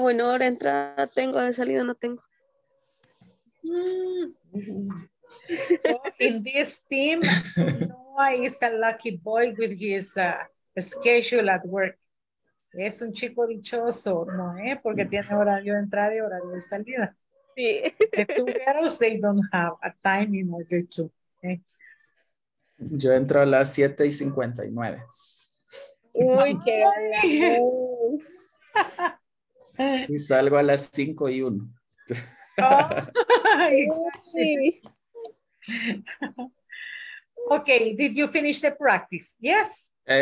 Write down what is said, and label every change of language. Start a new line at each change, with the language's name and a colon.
Spanish: Bueno, ahora entra, tengo de salida, no tengo.
English: So in this team, Noah is a lucky boy with his schedule at work.
Spanish: Es un chico dichoso, no, porque tiene horario de entrada y horario de salida. Sí.
English: The two girls, they don't have a time in order to.
Spanish: Yo entro a las 7:59. Uy, qué y salgo a las 5:01.
English: Oh, okay, did you finish the practice? Yes.